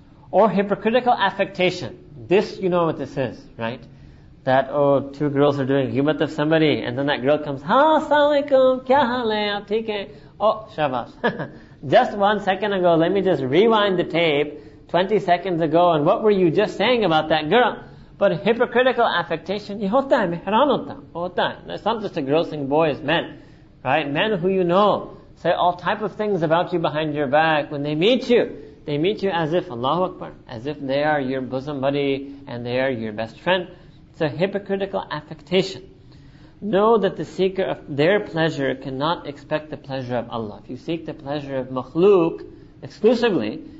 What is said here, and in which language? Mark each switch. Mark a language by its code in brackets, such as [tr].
[en] Or hypocritical affectation. This, you know what this is, right? That, oh, two girls are doing ग़ीबत of somebody, and then that girl comes, हा, अस्सलामु अलैकुम, क्या हाल है, आप ठीक है, ओह, शाबाश. Just 1 second ago, let me just rewind the tape, 20 seconds ago, and what were you just saying about that girl? [hi] But hypocritical affectation, ये होता है, मेहरान होता, होता है. [en] It's not just a girl thing, boys, men, right? Men who you know say all type of things about you behind your back when they meet you. They meet you as if, Allahu Akbar, as if they are your bosom buddy and they are your best friend. It's a hypocritical affectation. Know that the seeker of their pleasure cannot expect the pleasure of Allah. If you seek the pleasure of makhluk exclusively,